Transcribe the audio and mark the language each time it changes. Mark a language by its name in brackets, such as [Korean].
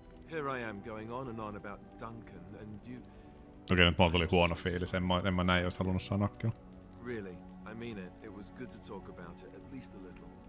[English] Here I am going on and on about Duncan and you. [Finnish] Okay, nyt mulla tuli huono fiilis. En mä näin olisi halunnut sanoa. [English] Really, I mean it. It was good to talk about it at least a little.